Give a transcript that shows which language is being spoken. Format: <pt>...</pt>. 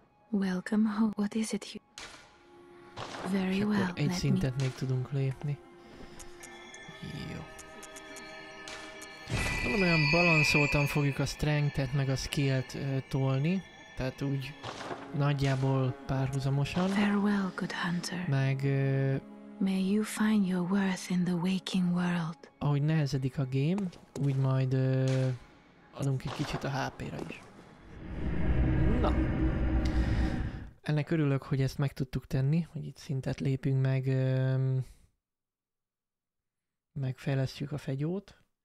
<en>Welcome home. What is it? Very well.</en> <hu>Egy szintet még tudunk lépni. Jó. Nem olyan balanszoltan fogjuk a strength-et meg a skill-t tolni. Tehát úgy nagyjából párhuzamosan.</hu> <en>Farewell, good hunter.</en> <hu>Meg...</hu> <en>May you find your worth in the waking world.</en> <hu>Ahogy nehezedik a game, úgy majd adunk egy kicsit a HP-ra is. Na. Ennek örülök, hogy ezt meg tudtuk tenni, hogy itt szintet lépünk meg. Megfejlesztjük a fegyót.</hu>